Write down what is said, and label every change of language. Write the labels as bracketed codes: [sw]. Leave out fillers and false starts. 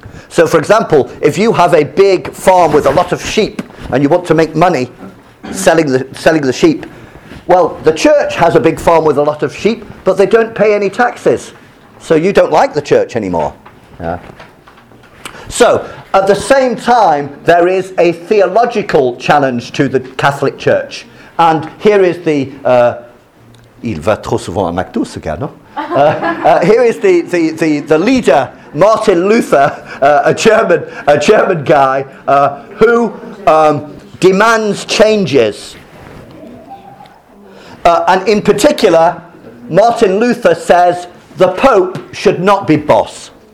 [en] So, for example, if you have a big farm with a lot of sheep and you want to make money selling the sheep, well, the church has a big farm with a lot of sheep, but they don't pay any taxes. So you don't like the church anymore. Yeah. So, at the same time, there is a theological challenge to the Catholic Church. And here is the... [fr] Il va trop souvent à McDo, ce gars, non? [en] Here is the leader, Martin Luther, a German guy, who demands changes. And in particular, Martin Luther says the Pope should not be boss.